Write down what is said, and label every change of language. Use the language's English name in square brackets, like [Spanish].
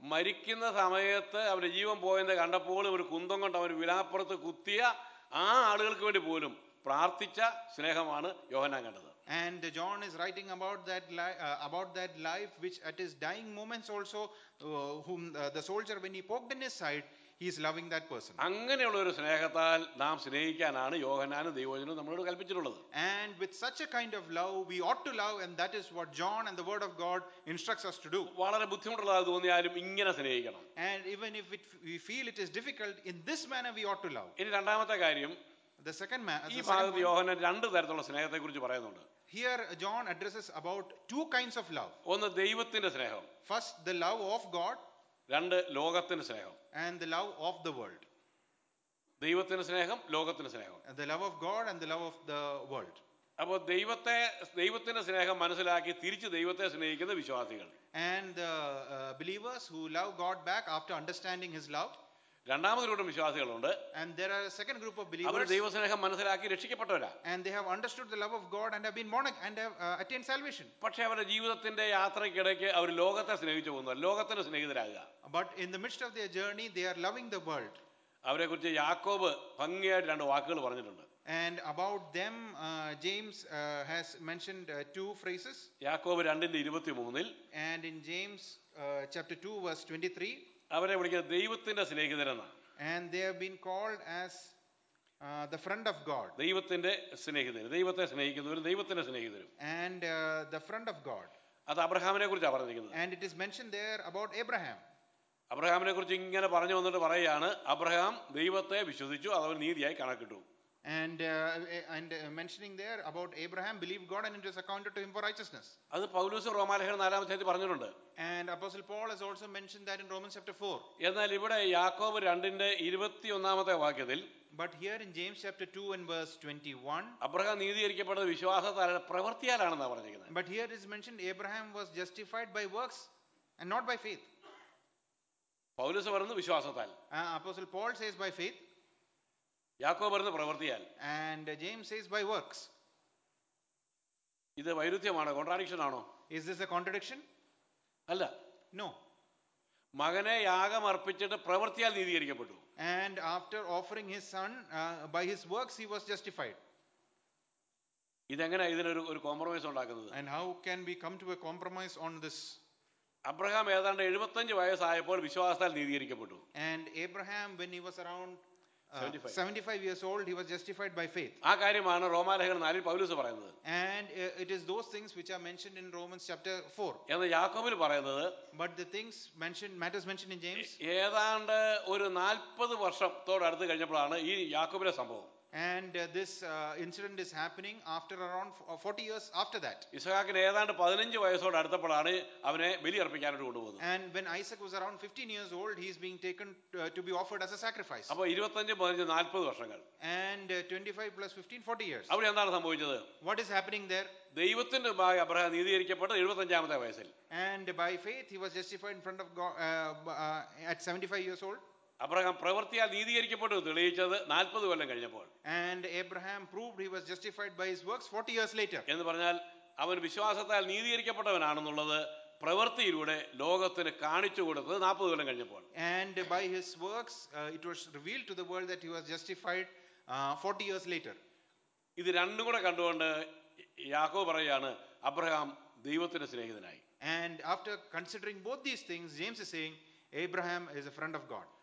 [Malayalam] മരിക്കുന്ന സമയത്ത് അവരുടെ ജീവൻ പോയെന്ന് കണ്ടപ്പോൾ ഒരു കുന്തം കൊണ്ട് അവർ വിലാപ്പുറത്ത് കുത്തിയ ആ ആളുകൾക്ക് വേണ്ടി പോലും പ്രാർത്ഥിച്ച സ്നേഹമാണ് യോഹന്നാൻ കണ്ടത്. [English] And John is writing about that life which at his dying moments also whom the soldier when he poked in his side he is loving that person. [Malayalam] അങ്ങനെയുള്ള ഒരു സ്നേഹത്താൽ നാം സ്നേഹിക്കാനാണ് യോഹന്നാനും ദൈവവചനം നമ്മളോട് കൽപ്പിച്ചിട്ടുള്ളത്. [English] And with such a kind of love we ought to love and that is what John and the word of God instructs us to do. [Malayalam] വളരെ ബുദ്ധിമുട്ടുള്ളതായി തോന്നിയാലും ഇങ്ങനെ സ്നേഹിക്കണം. [English] And even if we feel it is difficult in this manner we ought to love. [Malayalam] ഇനി രണ്ടാമത്തെ കാര്യം, [English] the second man, [Malayalam] ഈ ഭാഗത്ത് യോഹന്നാൻ രണ്ട് തരത്തിലുള്ള സ്നേഹത്തെ കുറിച്ച് പറയുന്നുണ്ട്. [English] Here John addresses about two kinds of love. [Malayalam] ഒന്ന് ദൈവത്തിന്റെ സ്നേഹം. [English] First the love of God. [Malayalam] രണ്ട് ലോകത്തിന്റെ സ്നേഹം. [English] And the love of the world. [Malayalam] ദൈവത്തിന്റെ സ്നേഹം, ലോകത്തിന്റെ സ്നേഹം. [English] And the love of God and the love of the world. [Malayalam] അപ്പോൾ ദൈവത്തിന്റെ സ്നേഹം മനസ്സിലാക്കി തിരിച്ച് ദൈവത്തെ സ്നേഹിക്കുന്ന വിശ്വാസികൾ. [English] And the believers who love God back after understanding his love. [Malayalam] രണ്ടാമത്തെ കൂട്ടം വിശ്വാസികളുണ്ട്. [English] And there are a second group of believers. [Malayalam] അവർ ദൈവസ്നേഹം മനസ്സിലാക്കി രക്ഷിക്കപ്പെട്ടവരാ. [English] And they have understood the love of God and have been born again and have attained salvation. [Malayalam] പക്ഷേ അവരുടെ ജീവിതത്തിന്റെ യാത്രയ്ക്കിടയ്ക്ക് അവർ ലോകത്തെ സ്നേഹിച്ചു പോകുന്നു, ലോകത്തിന് സ്നേഹിതരാകുക. [English] But in the midst of their journey they are loving the world. [Malayalam] അവരെ കുറിച്ച് യാക്കോബ് ഭംഗിയായിട്ട് രണ്ട് വാക്കുകൾ പറഞ്ഞിട്ടുണ്ട്. [English] And about them James has mentioned two phrases. [Malayalam] യാക്കോബ് 2:23. [English] And in James chapter 2 verse 23 [Malayalam] അവരെ വിളിക്കുന്നത് ദൈവത്തിന്റെ സ്നേഹിതരെന്ന. [English] And they have been called as the friend of God. [Malayalam] ദൈവത്തിന്റെ സ്നേഹിതർ, ദൈവത്തെ സ്നേഹിക്കുന്നവരും ദൈവത്തിന്റെ സ്നേഹിതരും. [English] And the friend of God. [Malayalam] അത് അബ്രഹാമിനെ കുറിച്ച് പറഞ്ഞിരിക്കുന്നത്. [English] And it is mentioned there about Abraham. [Malayalam] അബ്രഹാമിനെ കുറിച്ച് ഇങ്ങനെ പറഞ്ഞു വന്നിട്ട് പറയുകയാണ്, അബ്രഹാം ദൈവത്തെ വിശ്വസിച്ചു, അത് അവൻ നീതിയായി കണക്കിട്ടു. [English] And mentioning there about Abraham believed God and it was accounted to him for righteousness. [Malayalam] അത് പൗലോസ് റോമാലേഖനം 4-ാം അധ്യായത്തിൽ പറഞ്ഞിട്ടുണ്ട്. [English] And apostle Paul has also mentioned that in Romans chapter 4. [Malayalam] എന്നാൽ ഇവിടെ യാക്കോബ് 2:21 വാക്യത്തിൽ, [English] but here in James chapter 2 and verse 21 [Malayalam] Abraham നീതീകരിക്കപ്പെട്ടത് വിശ്വാസത്താൽ പ്രവൃത്തിയാലാണെന്നാണ് പറഞ്ഞിരിക്കുന്നത്. [English] But here it is mentioned Abraham was justified by works and not by faith. [Malayalam] പൗലോസ് പറയുന്നു വിശ്വാസത്താൽ. [English] Apostle Paul says by faith. [Malayalam] യാക്കോബ് പറയുന്നു പ്രവൃത്തിയാൽ. [English] And James says by works. [Malayalam] ഇത് വൈരുദ്ധ്യമാണോ, contradiction ആണോ? [English] Is this a contradiction? [Malayalam] അല്ല. [English] No. [Malayalam] മകനെ യാഗം അർപ്പിച്ചിട്ട് പ്രവൃത്തിയാൽ നീതീകരിക്കപ്പെട്ടു. [English] And after offering his son by his works he was justified. [Malayalam] ഇതെങ്ങനെയാണ് ഇതിനൊരു ഒരു കോംപ്രമൈസ് ഉണ്ടാക്കുന്നത്? [English] And how can we come to a compromise on this? [Malayalam] Abraham ഏതാണ്ട് 75 വയസ്സായപ്പോൾ വിശ്വാസത്താൽ നീതീകരിക്കപ്പെട്ടു. [English] And Abraham when he was around 75 years old, he was justified by faith. [Malayalam] ആ കാര്യമാണ് റോമാലേഖൻ 4 പൗലോസ് പറയുന്നത്. [English] And it is those things which are mentioned in Romans chapter 4. [Malayalam] എന്ന യാക്കോബിൽ പറയുന്നത്. [English] But the things mentioned, matters mentioned in James. [Malayalam] ഏതാണ്ട് ഒരു 40 വർഷത്തോട് അടുത്ത് കഴിഞ്ഞപ്പോഴാണ് ഈ യാക്കോബിലെ സംഭവം. [English] And this incident is happening after around 40 years after that. [Malayalam] ഇസഹാക്കിന് ഏതാണ്ട് 15 വയസ്സോട് അടുത്തപ്പോഴാണ് അവനെ ബലി അർപ്പിക്കാനായിട്ട് കൊണ്ടുപോകുന്നത്. [English] And when Isaac was around 15 years old, he is being taken to be offered as a sacrifice. [Malayalam] അപ്പോൾ 25 15 40 വർഷങ്ങൾ. [English] And 25 plus 15 40 years. [Malayalam] അവിടെ എന്താണ് സംഭവിച്ചത്? [English] What is happening there? [Malayalam] ദൈവത്തിന്റെ ഭാഗം അബ്രഹാം നീതീകരിക്കപ്പെട്ട 75-ാമത്തെ വയസ്സിൽ. [English] And by faith he was justified in front of God at 75 years old. [Malayalam] Abraham പ്രവൃത്തിയാൽ നീതീകരിക്കപ്പെട്ടു തെളിയിച്ചത് 40 കൊല്ലം കഴിഞ്ഞപ്പോൾ. [English] And Abraham proved he was justified by his works 40 years later. [Malayalam] എന്ന് പറഞ്ഞാൽ അവൻ വിശ്വാസത്താൽ നീതീകരിക്കപ്പെട്ടവനാണെന്നുള്ളത് പ്രവൃത്തിയിലൂടെ ലോകത്തിന് കാണിച്ചു കൊടുത്തത് 40 കൊല്ലം കഴിഞ്ഞപ്പോൾ. [English] And by his works it was revealed to the world that he was justified 40 years later. [Malayalam] ഇത് രണ്ടും കൂടെ കണ്ടുകൊണ്ട് യാക്കോബ് പറയുകയാണ് അബ്രഹാം ദൈവത്തിന്റെ സ്നേഹിതനായി. [English] And after considering both these things, James is saying Abraham is a friend of God.